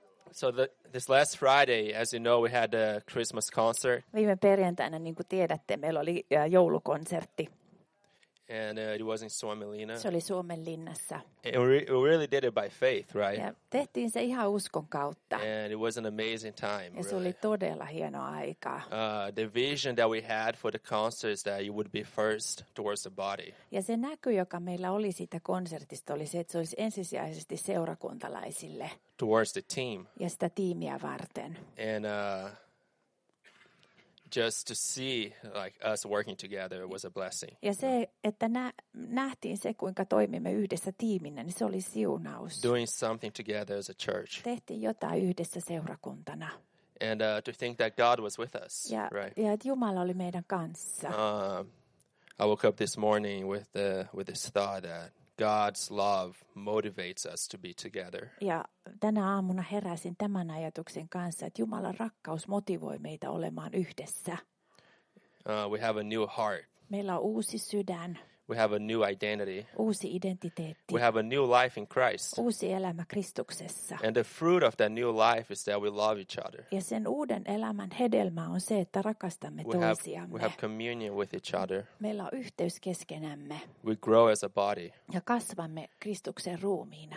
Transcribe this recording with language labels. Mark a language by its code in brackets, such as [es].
[en] So this last Friday, as you know, we had a Christmas concert. [fi] Viime perjantaina, niin kuin tiedätte, meillä oli joulukonsertti. [en] And it was in Suomenlinna. [fi] Se oli Suomenlinnassa. [en] We really did it by faith, right? [fi] Ja tehtiin se ihan uskon kautta. [en] And it was an amazing time. [fi] Ja se oli todella hieno aika. [en] The vision that we had for the concert is that you would be first towards the body. [fi] Ja se näky, joka meillä oli siitä konsertista, oli se, että se olisi ensisijaisesti seurakuntalaisille. [en] Towards the team. [fi] Ja sitä tiimiä varten. [en] And just to see like us working together was a blessing. [fi] Ja se, että nähtiin se, kuinka toimimme yhdessä tiiminä, niin se oli siunaus. [en] Doing something together as a church. [fi] Tehtiin jotain yhdessä seurakuntana. [en] And to think that God was with us. [fi] Ja, [en] right. [fi] Ja että Jumala oli meidän kanssa. [en] I woke up this morning with this thought that God's love motivates us to be together. [fi] Ja tänä aamuna heräsin tämän ajatuksen kanssa, että Jumalan rakkaus motivoi meitä olemaan yhdessä. [en] We have a new heart. [fi] Meillä on uusi sydän. [en] We have a new identity. [fi] Uusi identiteetti. [en] We have a new life in Christ. [fi] Uusi elämä Kristuksessa. [en] And the fruit of that new life is that we love each other. [fi] Ja sen uuden elämän hedelmä on se, että rakastamme toisiamme. [en] We have communion with each other. [fi] Meillä on yhteys keskenämme. [en] We grow as a body. [fi] Ja kasvamme Kristuksen ruumiina.